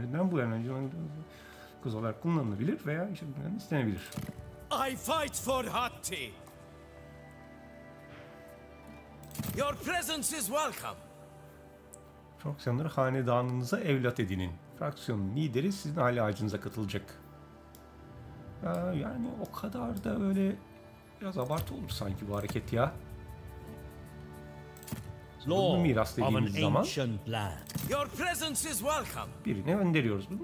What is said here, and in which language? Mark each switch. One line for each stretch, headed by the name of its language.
Turkish: Bu en önce kız olarak kullanılabilir veya istenebilir.
English: I fight for Hatti. Your presence is welcome.
Turkish: Fraksiyonları hanedanınıza evlat edinin. Fraksiyonun lideri sizin aile ağacınıza katılacak. Yani o kadar da öyle biraz abartı olur sanki bu hareket ya. Bunu miras dediğimiz zaman
English: your presence is welcome.
Turkish: Birine gönderiyoruz.